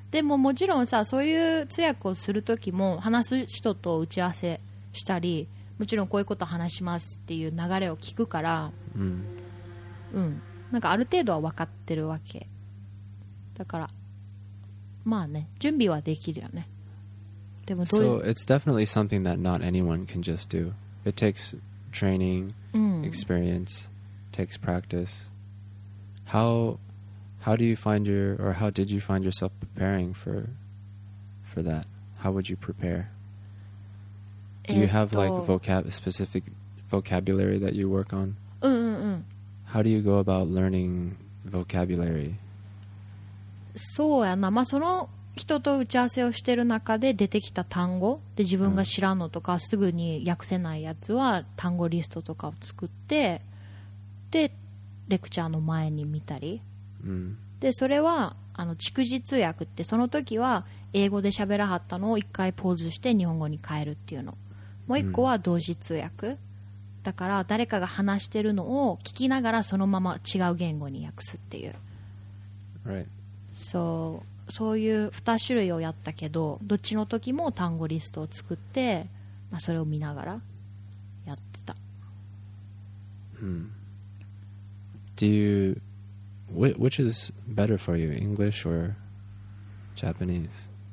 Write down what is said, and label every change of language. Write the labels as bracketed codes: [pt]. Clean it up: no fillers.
[ja] でももちろんさ、そういう通訳をする時も話す人と打ち合わせしたり、もちろんこういうこと話しますっていう流れを聞くから、うん。うん、なんかある程度は分かってるわけ。だから。まあね、準備はできるよね。でもどういう、 [en] So it's definitely something that not anyone can just do. It takes training, experience, takes practice. How do you find your, or how did you find yourself preparing for that? How would you prepare? Do you have like specific vocabulary that you work on? How do you go about learning vocabulary? [ja] そうやな、まあ、その人と打ち合わせをしてる中で出てきた単語で自分が知らんのとかすぐに訳せないやつは単語リストとかを作って、でレクチャーの前に見たり、でそれはあの逐次通訳って、その時は英語で喋らはったのを一回ポーズして日本語に変えるっていうの、もう一個は同時通訳だから誰かが話してるのを聞きながらそのまま違う言語に訳すっていう、そういう2種類をやったけど、どっちの時も単語リストを作って、まあ、それを見ながらやってた。 [en] Do you, which is better for you, English or Japanese?